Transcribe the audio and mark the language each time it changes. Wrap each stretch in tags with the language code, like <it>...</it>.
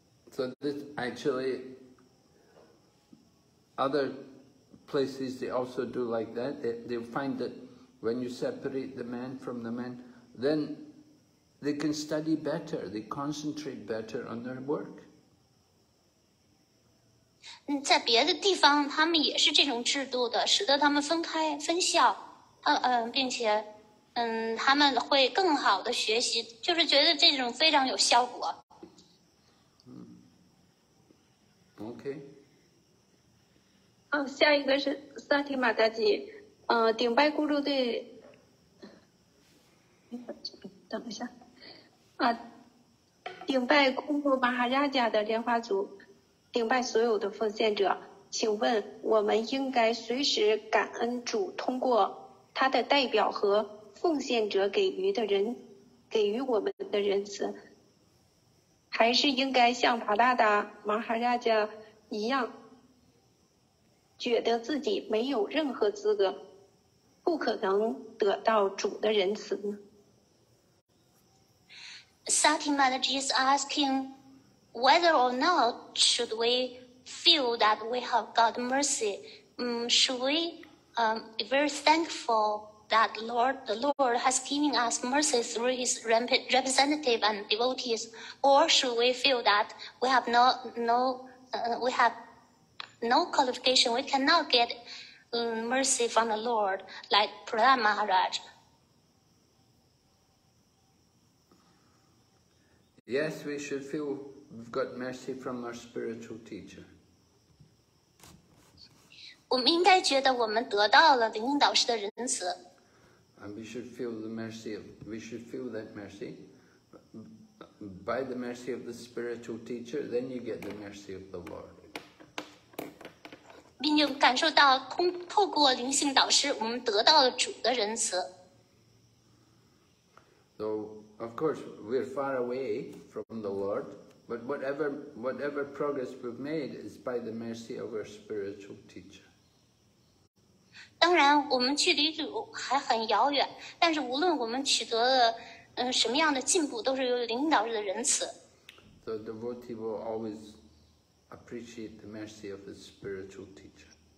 <en>So this actually, other places they also do like that. They find that when you separate the men from the men, then they can study better. They concentrate better on their work.</en> <zh>在别的地方，他们也是这种制度的，使得他们分开分校。并且他们会更好的学习，就是觉得这种非常有效果。</zh> <en>Okay.</en> <zh>下一个是萨提马达吉，顶拜咕噜对，等一下，顶拜咕噜马哈拉加的莲花族，顶拜所有的奉献者，请问我们应该随时感恩主通过他的代表和奉献者给予的人给予我们的仁慈，还是应该像帕拉达马哈拉加一样，觉得自己没有任何资格，不可能得到主的仁慈呢？</zh> <en>Sati Manaji is asking whether or not should we feel that we have God's mercy. Should we be very thankful that the Lord has given us mercy through his representative and devotees, or should we feel that we have no qualification, we cannot get mercy from the Lord, like Prahlad Maharaj? Yes, we should feel we've got mercy from our spiritual teacher.</en> <zh>我们应该觉得我们得到了灵应导师的仁慈。</zh> <en>And we should feel the mercy of, we should feel that mercy by the mercy of the spiritual teacher, then you get the mercy of the Lord.</en> <zh>并且感受到通透过灵性导师，我们得到了主的仁慈。</zh> <en>So, of course, we're far away from the Lord, but whatever progress we've made is by the mercy of our spiritual teacher.</en> <zh>当然，我们距离主还很遥远，但是无论我们取得了什么样的进步，都是由领导者的仁慈。</zh> <en>The devotee will always appreciate the mercy of his spiritual teacher.</en>